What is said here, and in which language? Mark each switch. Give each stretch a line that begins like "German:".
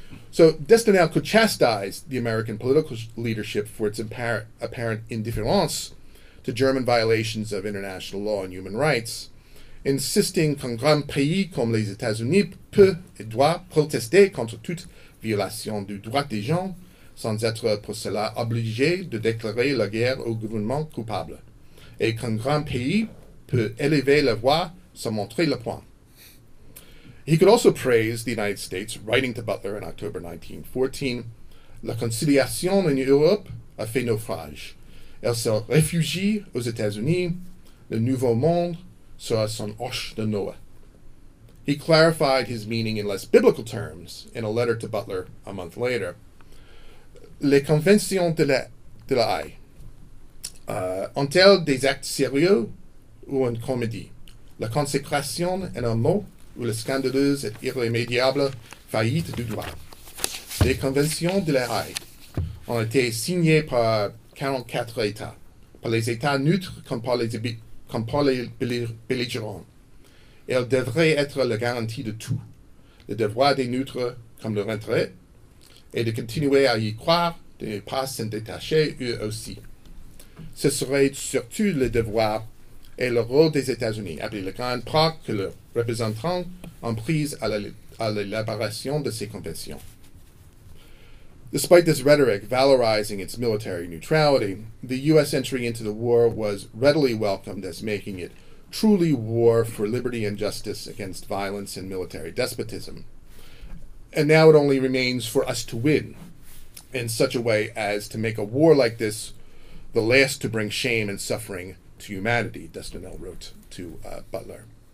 English: So d'Estournel could chastise the American political leadership for its apparent indifference to German violations of international law and human rights, insisting
French: qu'un grand pays comme les États-Unis peut et doit protester contre toute violation du droit des gens sans être pour cela obligé de déclarer la guerre au gouvernement coupable, et qu'un grand pays peut élever la voix sans montrer le poing.
English: He could also praise the United States, writing to Butler in October 1914,
French: La conciliation en Europe a fait naufrage. Elle s'est réfugiée aux États-Unis. Le Nouveau Monde sera son arche de Noé.
English: He clarified his meaning in less biblical terms in a letter to Butler a month later.
French: Les conventions de la haie ont-elles des actes sérieux ou une comédie? La consécration en un mot ou la scandaleuse et irrémédiable faillite du droit? Les conventions de la haie ont été signées par 44 États, par les États neutres comme par les belligérants. Elle devrait être la garantie de tout, le devoir des neutres comme leur intérêt, et de continuer à y croire, de ne pas s'en détacher eux aussi. Ce serait surtout le devoir et le rôle des États-Unis, après le grand pas que leurs représentants ont pris à l'élaboration de ces conventions.
English: Despite this rhetoric valorizing its military neutrality, the U.S. entry into the war was readily welcomed as making it truly war for liberty and justice against violence and military despotism. And now it only remains for us to win in such a way as to make a war like this the last to bring shame and suffering to humanity, Destenel wrote to Butler.